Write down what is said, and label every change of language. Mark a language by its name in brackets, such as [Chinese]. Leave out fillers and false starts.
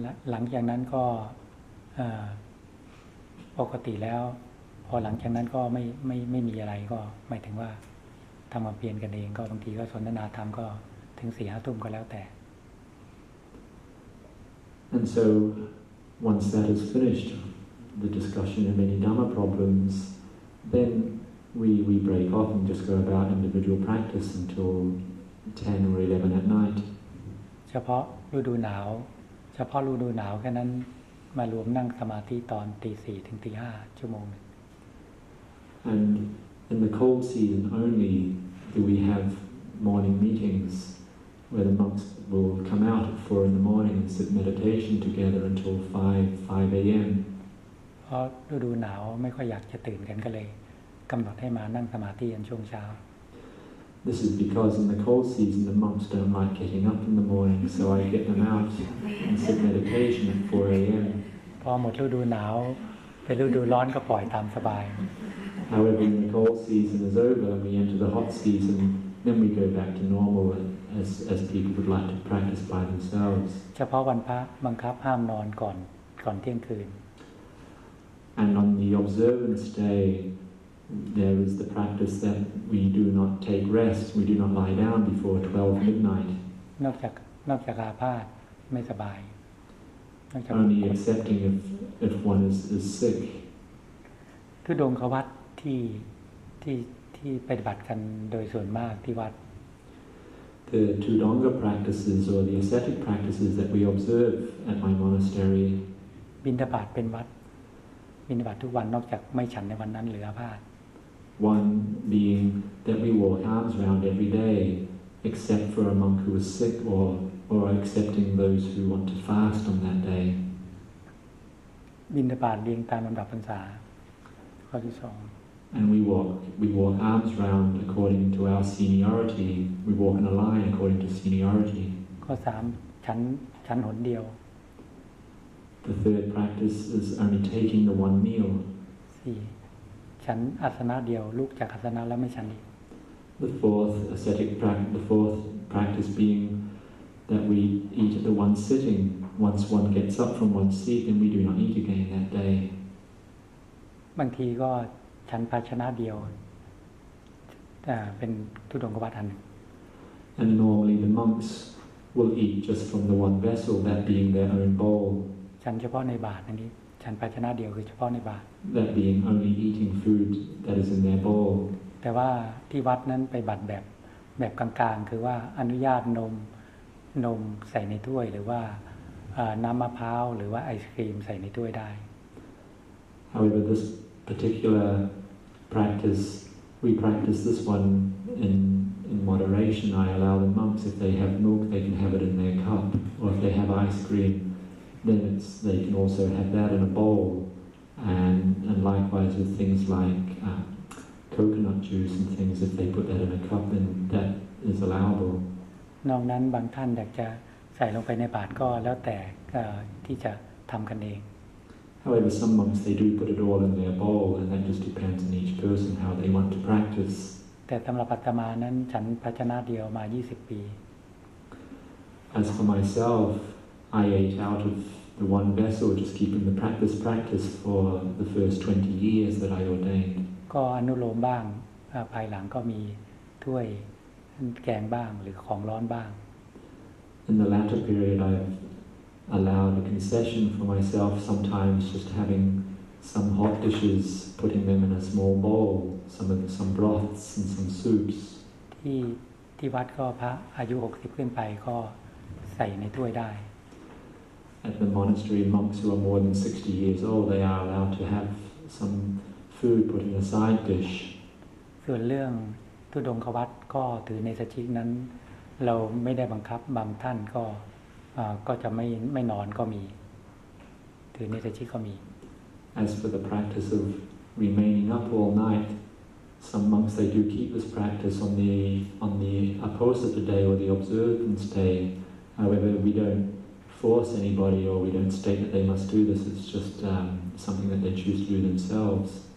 [Thai] หลังจากนั้นก็ปกติแล้วพอหลังจากนั้นก็ไม่มีอะไรก็หมายถึงว่าทำความเพียรกันเองก็บางทีก็สนทนาธรรมก็ถึง4-5 ทุ่มก็แล้วแต่ [English] And so once that is finished, the discussion of any Dhamma problems, then we break off and just go about individual practice until 10 or 11 at night. [Thai] เฉพาะฤดูหนาวเฉพาะฤดูหนาวแค่นั้นมารวมนั่งสมาธิตอน4-5 ชั่วโมง [English] AndIn the cold season only do we have morning meetings where the monks will come out at 4 in the morning and sit meditation together until 5 a.m. [Thai] เพราะฤดูหนาวไม่ค่อยอยากจะตื่นกันก็เลยกำหนดให้มานั่งสมาธิกันช่วงเช้า [English] This is because in the cold season the monks don't like getting up in the morning so I get them out and sit meditation at 4 a.m. [Thai] พอหมดฤดูหนาวไปฤดูร้อนก็ปล่อยตามสบาย [English] However, when the cold season is over and we enter the hot season, then we go back to normal as people would like to practice by themselves. [Thai] เฉพาะวันพระบังคับห้ามนอนก่อนเที่ยงคืน [English] And on the observance day, there is the practice that we do not take rest, we do not lie down before 12 midnight. [Thai] นอกจากอาพาธไม่สบาย [English] Only excepting if one is sick. [Thai] ทุดงควัตที่ปฏิบัติกันโดยส่วนมากที่วัด [English] The Tudonga practices or the ascetic practices that we observe at my monastery [Thai] บิณฑบาตเป็นวัดบิณฑบาตทุกวันนอกจากไม่ฉันในวันนั้นหรืออาพาธ [English] One being that we walk arms round every day except for a monk who is sick or accepting those who want to fast on that day [Thai] บิณฑบาตเรียงตามลำดับพรรษาข้อที่2 [English] And we walk arms round according to our seniority. We walk in a line according to seniority. [Thai] ข้อ 3 ฉันหนเดียว [English] The third practice is only taking the one meal. [Thai] 4 ฉันอาสนะเดียวลุกจากอาสนะแล้วไม่ฉันอีก [English] The fourth practice being that we eat at the one sitting. Once one gets up from one seat, then we do not eat again that day. [Thai] บางทีก็ฉันภาชนะเดียวเป็นทุดงควัตอันหนึ่ง [English] And normally the monks will eat just from the one vessel, that being their own bowl. [Thai] ฉันเฉพาะในบาตรอันนี้ฉันภาชนะเดียวคือเฉพาะในบาตร [English] That being only eating food that is in their bowl. [Thai] แต่ว่าที่วัดนั้นไปบัตรแบบกลางๆคือว่าอนุญาตนมใส่ในถ้วยหรือว่าน้ำมะพร้าวหรือว่าไอศกรีมใส่ในถ้วยได้ [English] However this particular practice, we practice this one in moderation. I allow the monks if they have milk, they can have it in their cup, or if they have ice cream, then they can also have that in a bowl. And likewise with things like coconut juice and things, if they put that in a cup, then that is allowable. [Thai] นอกนั้นบางท่านอยากจะใส่ลงไปในบาตรก็แล้วแต่ที่จะทำกันเอง [English] However, some monks they do put it all in their bowl, and that just depends on each person how they want to practice. [Thai] แต่สำหรับอาตมานั้นฉันภาชนะเดียวมา20 ปี [English] As for myself, I ate out of the one vessel, just keeping the practice for the first 20 years that I ordained. [Thai] ก็อนุโลมบ้างภายหลังก็มีถ้วยแกงบ้างหรือของร้อนบ้าง [English] In the latter period, I've allowed a concession for myself sometimes just having some hot dishes putting them in a small bowl some broths and some soups [Thai] ที่วัดก็พระอายุ60ขึ้นไปก็ใส่ในถ้วยได้ [English] at the monastery monks who are more than 60 years old they are allowed to have some food put in a side dish [Thai] ส่วนเรื่องทุดงควัตก็ถือในสัจจินั้นเราไม่ได้บังคับบางท่านก็ ก็จะไม่นอนก็มีตื่นในแต่ชีก็มี [English] As for the practice of remaining up all night some monks they do keep this practice on the apostate day or the observance day however we don't force anybody or we don't state that they must do this it's just something that they choose to do themselves